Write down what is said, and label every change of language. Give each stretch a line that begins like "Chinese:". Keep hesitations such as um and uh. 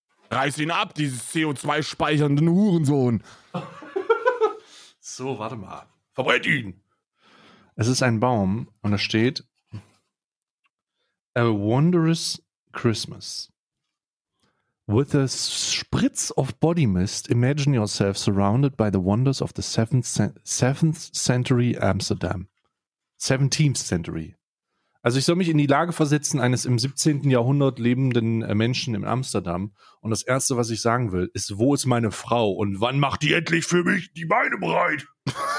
German: Reiß ihn ab, dieses CO2-speichernden Hurensohn. so, warte mal. Verbrennt ihn. Es ist ein Baum und da steht A Wondrous Christmas.
English: With a spritz of body mist, imagine yourself surrounded by the wonders of the 7th, 7th, century Amsterdam. 17th century.
German: Also ich soll mich in die Lage versetzen eines im 17. Jahrhundert lebenden Menschen in Amsterdam. Und das Erste, was ich sagen will, ist, wo ist meine Frau und wann macht die endlich für mich die Beine breit?